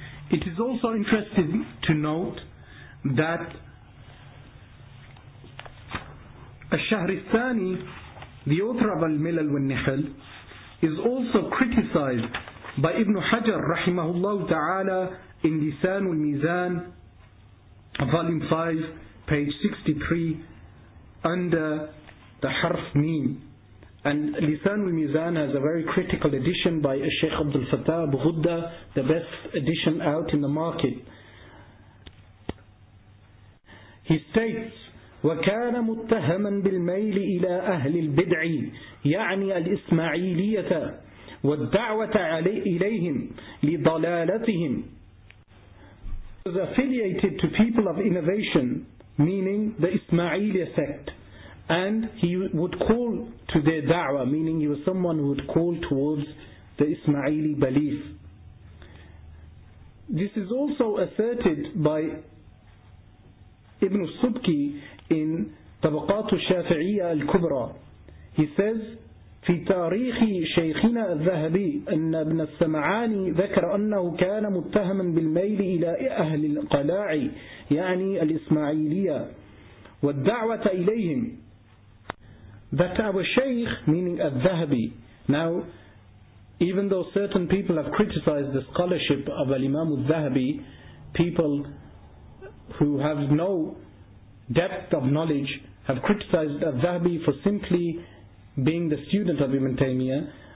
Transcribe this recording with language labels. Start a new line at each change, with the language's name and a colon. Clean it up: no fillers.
English: It is also interesting to note that Ash-Shahristani, the author of Al-Milal wal-Nihl, is also criticized by Ibn Hajar rahimahullah ta'ala in Lisan al-Mizan, volume 5, page 63, under the Harf Mim. And Lisan al-Mizan has a very critical edition by Sheikh Abdul Fattah Abu Ghudda, the best edition out in the market. He states,
Arabic: وَكَانَ مُتَّهَمًا بِالْمَيْلِ إِلَىٰ أَهْلِ الْبِدْعِ يَعْنِي الْإِسْمَعِيلِيَةَ وَالدَّعْوَةَ إِلَيْهِمْ لِضَلَالَتِهِمْ.
English: He was affiliated to people of innovation, meaning the Ismailiyya sect, and he would call to their da'wah, meaning he was someone who would call towards the Ismaili belief. This is also asserted by Ibn Subki in Tabaqat al-Shafi'iyya al-Kubra. He says,
Arabic: في تاريخ شيخنا الذهبي أن ابن السمعاني ذكر أنه كان متهما بالميل إلى أهل القلاع يعني الإسماعيلية والدعوة إليهم.
English: That our Shaykh, meaning al-Dhahabi. Now, even though certain people have criticized the scholarship of Al-Imam al-Zahabi, people who have no depth of knowledge have criticized al-Zahabi for simply being the student of Ibn Taymiyyah.